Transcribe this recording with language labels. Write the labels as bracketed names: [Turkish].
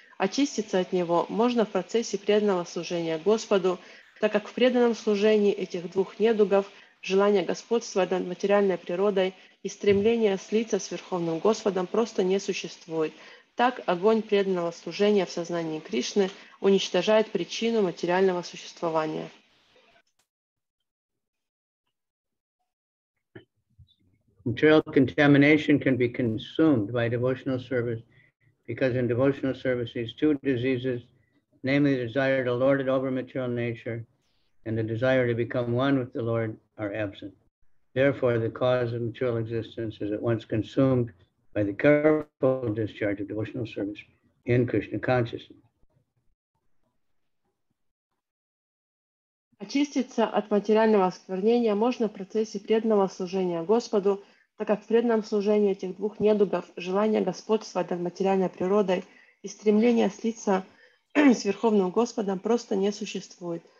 [Russian] Очиститься от него можно в процессе преданного служения Господу, так как в преданном служении этих двух недугов желание господства над материальной природой и стремление слиться с Верховным Господом просто не существует. Так огонь преданного служения в сознании Кришны уничтожает причину материального существования. [English] Material contamination can be consumed by devotional service, because in devotional service these two diseases, namely the desire to lord it over material nature and the desire to become one with the Lord, are absent. Therefore, the cause of material existence is at once consumed by the careful discharge of devotional service in Krishna consciousness. [Russian] Очиститься от материального осквернения можно в процессе преданного служения Господу, так как в преданном служении этих двух недугов желание господства над материальной природой и стремление слиться с Верховным Господом просто не существует.